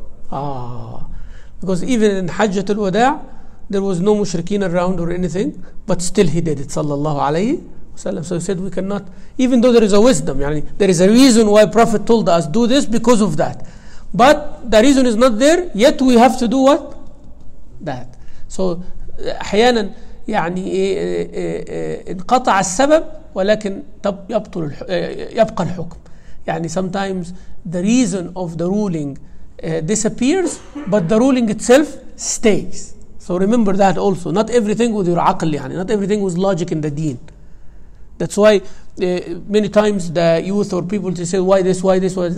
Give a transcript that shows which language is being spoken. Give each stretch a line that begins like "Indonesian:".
English: Because even in Hajjat al-Wada', there was no mushrikeen around or anything, but still he did it, sallallahu alayhi wasallam. So he said, we cannot, even though there is a wisdom, يعني, there is a reason why Prophet told us, do this because of that. But the reason is not there, yet we have to do what? That.
Arabic: So, أحياناً, يعني انقطع السبب ولكن يبطل يبقى الحكم.
English: يعني sometimes the reason of the ruling disappears, but the ruling itself stays. So remember that also. Not everything with your عقل يعني. Not everything with logic in the deen. That's why many times the youth or people they say why this, why this, why this.